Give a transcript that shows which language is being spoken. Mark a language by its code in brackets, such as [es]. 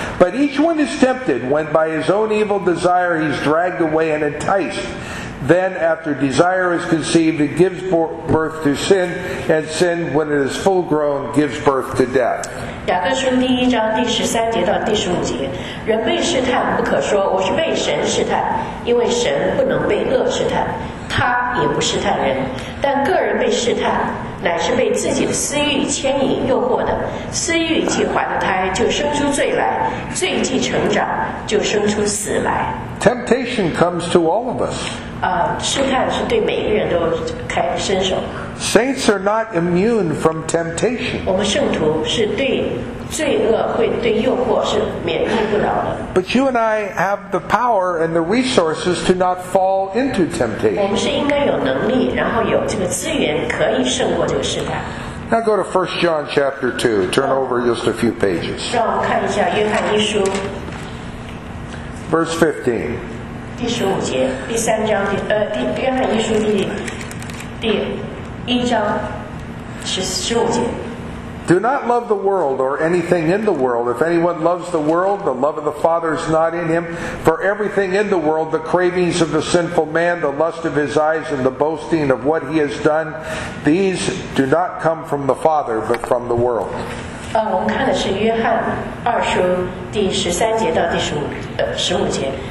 [en] But each one is tempted when by his own evil desire he's dragged away and enticed. Then after desire is conceived, it gives birth to sin, and sin, when it is full grown, gives birth to death. [zh] 雅各书第一章第十三节到第十五节，人被试探不可说，我是被神试探，因为神不能被恶试探。他也不试探人，但个人被试探，乃是被自己的私欲牵引诱惑的。私欲既怀了胎，就生出罪来；罪既成长，就生出死来。 [en] Temptation comes to all of us. [zh] 试探是对每个人都开伸手。 [en] Saints are not immune from temptation. [zh] 我们圣徒是对罪恶会对诱惑是免疫不了的。 [en] But you and I have the power and the resources to not fall into temptation. [zh] 我们是应该有能力，然后有这个资源可以胜过这个试探。 [en] Now go to 1 John chapter 2. Turn over just a few pages. [zh] 让我们看一下约翰一书。 [en] Verse 15. [zh] 第十五节，第三章第约翰一书第一章十五节。 [en] Do not love the world or anything in the world. If anyone loves the world, the love of the Father is not in him. For everything in the world, the cravings of the sinful man, the lust of his eyes, and the boasting of what he has done, these do not come from the Father, but from the world. [zh] 我们看的是约翰二书第十三节到第十五节。